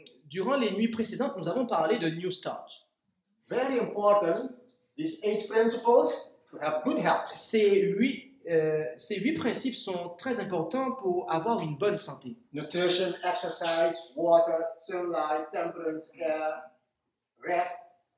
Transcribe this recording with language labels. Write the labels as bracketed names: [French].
[French] Durant les nuits précédentes, nous avons parlé de new start. [English] Very important, these 8 principles to have good health. [French] Ces huit principes sont très importants pour avoir une bonne santé. [English] Nutrition, exercise, water, sunlight, temperance, care, rest.